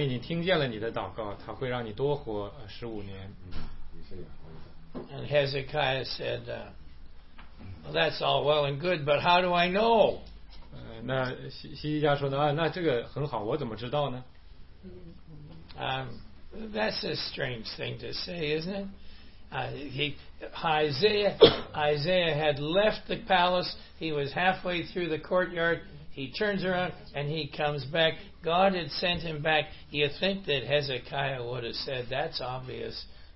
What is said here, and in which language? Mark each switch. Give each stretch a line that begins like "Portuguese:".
Chinese: 然后呢，西西家呢，在这之后呢，他就说，神已经听见了你的祷告，他会让你多活15年。
English: And Hezekiah said, well, that's all well and good, but how do I know?
Chinese: 那西西家说呢，那这个很好，我怎么知道呢？
English: That's a strange thing to say, isn't it? Isaiah had left the palace. He was halfway through the courtyard. He turns around and he comes back. God had sent him back. You think that Hezekiah would have said, that's obvious.